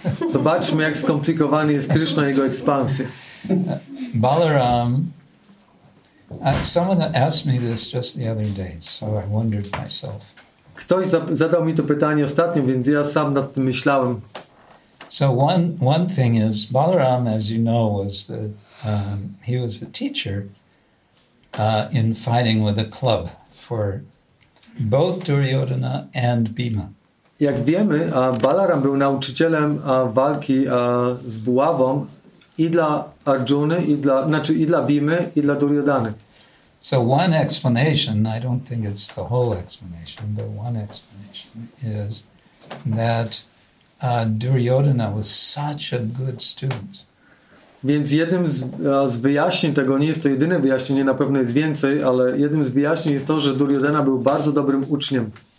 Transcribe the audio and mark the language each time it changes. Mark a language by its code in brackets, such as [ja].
[pl] Zobaczmy, jak skomplikowany jest Krishna i jego ekspansje. [en] Balaram, someone asked me this just the other day, so I wondered myself. [pl] Ktoś zadał mi to pytanie ostatnio, więc ja sam nad tym myślałem. [en] So one thing is, Balaram, as you know, was the he was the teacher in fighting with a club for both Duryodhana and Bhima. [pl] Jak wiemy, Balaram był nauczycielem walki z buławą i dla Arjuny, i dla Bhimy, i dla Duryodhany. [en] So one explanation, I don't think it's the whole explanation, but one explanation is that Duryodhana was such a good student. [pl] Więc jednym z wyjaśnień tego, nie jest to jedyne wyjaśnienie, na pewno jest więcej, ale jednym z wyjaśnień jest to, że Duryodhana był bardzo dobrym uczniem.